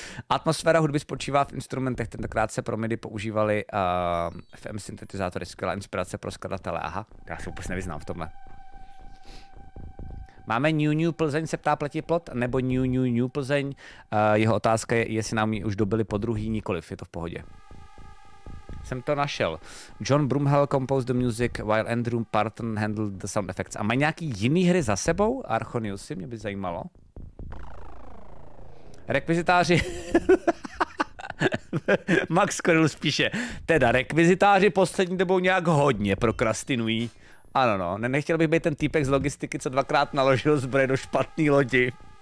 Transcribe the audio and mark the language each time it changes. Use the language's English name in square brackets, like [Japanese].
[Czech] Atmosféra hudby spočívá v instrumentech, tentokrát se pro MIDI používali FM syntetizátory, skvělá inspirace pro skladatele. Aha, já se vůbec nevyznám v tomhle. Máme New Plzeň, se ptá Pleti Plot, nebo New Plzeň. Jeho otázka je, jestli nám ji už dobili po druhý, nikoliv, je to v pohodě. Jsem to našel. [English] John Brumhell composed the music, while Andrew Parton handled the sound effects. [Czech] A mají nějaký jiný hry za sebou? Archoniusy, mě by zajímalo. Rekvizitáři, Max Coril spíše, teda rekvizitáři poslední dobou nějak hodně prokrastinují. Ano no, nechtěl bych být ten týpek z logistiky, co dvakrát naložil zbroj do špatný lodi.